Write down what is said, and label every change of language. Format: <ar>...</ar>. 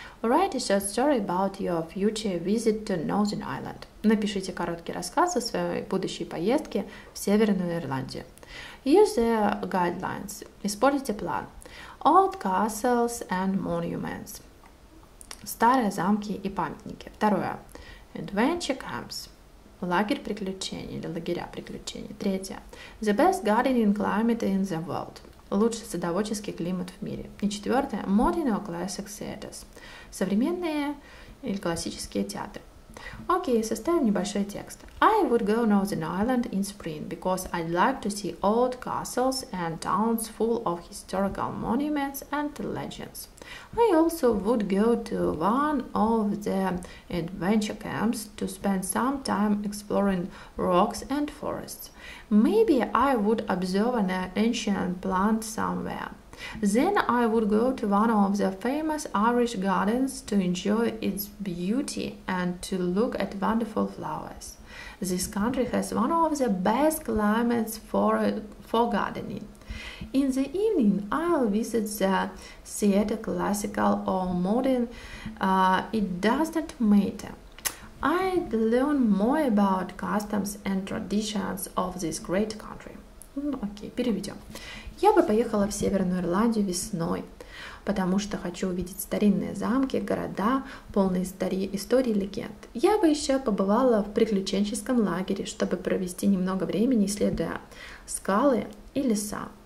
<en>Write a short story about your future visit to Northern Ireland.</en> <ru>Напишите короткий рассказ о своей будущей поездке в Северную Ирландию.</ru> <en>Use the guidelines.</en> <ru>Используйте план.</ru> <en>Old castles and monuments.</en> <ru>Старые замки и памятники. Второе.</ru> <en>Adventure camps.</en> <ru>Лагерь приключений или лагеря приключений. Третье.</ru> <en>The best gardening climate in the world.</en> <ru>Лучший садоводческий климат в мире. И четвертое.</ru> <en>Modern or classic theaters.</en> <ru>Современные или классические театры. Окей, составим небольшой текст.</ru> <en>I would go to Northern Ireland in spring because I'd like to see old castles and towns full of historical monuments and legends. I also would go to one of the adventure camps to spend some time exploring rocks and forests. Maybe I would observe an ancient plant somewhere. Then I would go to one of the famous Irish gardens to enjoy its beauty and to look at wonderful flowers. This country has one of the best climates for gardening. In the evening, I'll visit the theater, classical or modern, it doesn't matter. I'd learn more about customs and traditions of this great country.</en> <ru>Окей, переведем. Я бы поехала в Северную Ирландию весной, потому что хочу увидеть старинные замки, города, полные историй и легенд. Я бы еще побывала в приключенческом лагере, чтобы провести немного времени, исследуя скалы и леса.</ru>